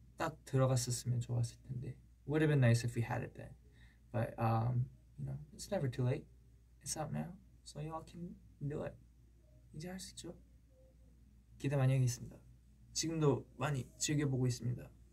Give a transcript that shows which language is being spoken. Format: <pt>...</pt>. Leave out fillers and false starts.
<ko>딱 들어갔었으면 좋았을 텐데.</ko> <en>Would have been nice if we had it then, but you know, it's never too late. It's out now, so you all can do it.</en> <ko>이제 할 수 있죠. 기대 많이 하겠습니다. 지금도 많이 즐겨보고 있습니다.</ko>